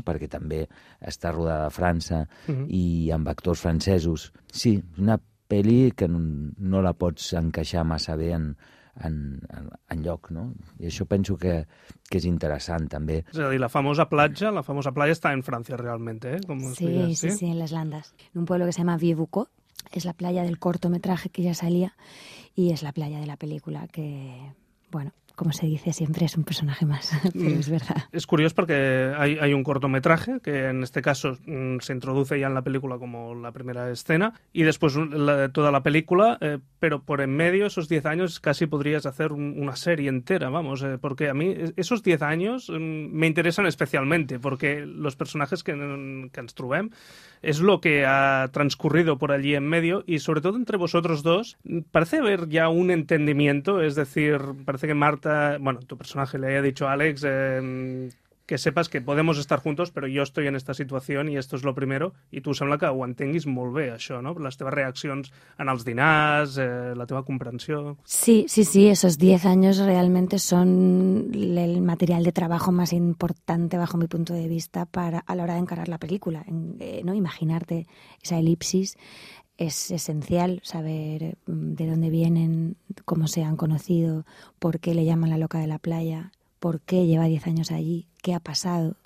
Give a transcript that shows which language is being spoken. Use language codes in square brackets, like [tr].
[ca] Perquè també està rodada a França, uh-huh, i amb actors francesos. Sí, una pel·li que no la pots encaixar massa bé en lloc, no? I això penso que és interessant, també. És a dir, la famosa platja està en França, realment, eh? Com sí, deies, sí, sí, sí, en les Landes, [es] en un pueblo que se llama [ca] Vieux-Bucaux. [es] Es la playa del cortometraje que ya salía y es la playa de la película que, bueno, como se dice siempre, es un personaje más, pero es verdad. Es curioso porque hay un cortometraje que en este caso se introduce ya en la película como la primera escena y después toda la película, pero por en medio esos 10 años casi podrías hacer una serie entera, vamos, porque a mí esos 10 años me interesan especialmente porque los personajes que [ca] ens trobem [es] es lo que ha transcurrido por allí en medio y sobre todo entre vosotros dos parece haber ya un entendimiento, es decir, parece que Marta, bueno, tu personaje le haya dicho a Alex que sepas que podemos estar juntos, pero yo estoy en esta situación y esto es lo primero, y tú [ca] sembla que ho entenguis molt bé, això, no? Les teves reaccions en els dinars, la teva comprensió... [es] Sí, sí, sí, esos 10 años realmente son el material de trabajo más importante bajo mi punto de vista para, a la hora de encarar la película, ¿no? Imaginarte esa elipsis. Es esencial saber de dónde vienen, cómo se han conocido, por qué le llaman la loca de la playa, por qué lleva 10 años allí, qué ha pasado.